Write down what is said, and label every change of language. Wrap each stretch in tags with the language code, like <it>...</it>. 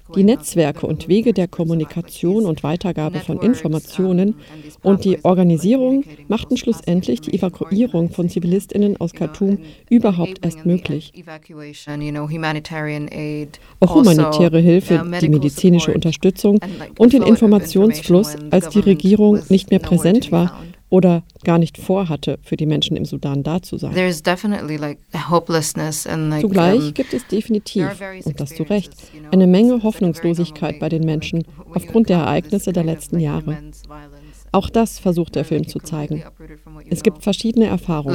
<de>Die Netzwerke und Wege der Kommunikation und Weitergabe von Informationen und die Organisierung machten schlussendlich die Evakuierung von ZivilistInnen aus Khartoum überhaupt erst möglich. Auch humanitäre Hilfe, die medizinische Unterstützung und den Informationsfluss, als die Regierung nicht mehr präsent war, oder gar nicht vorhatte, für die Menschen im Sudan da zu sein.</de> <en>There is definitely like hopelessness and like,</en> <de>zugleich gibt es definitiv, und das zu Recht, eine Menge Hoffnungslosigkeit bei den Menschen aufgrund der Ereignisse der letzten Jahre. Auch das versucht der Film zu zeigen. Es gibt verschiedene Erfahrungen.</de>